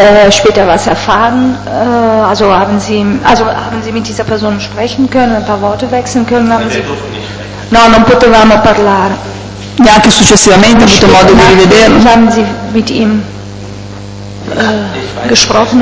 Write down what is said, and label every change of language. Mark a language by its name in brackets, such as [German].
[German] Später was erfahren, haben Sie mit dieser Person sprechen können, ein paar Worte wechseln können? Haben Sie... [Italian] No, non potevamo parlare. Neanche successivamente ha avuto modo di rivederlo. [German] Haben Sie mit ihm gesprochen?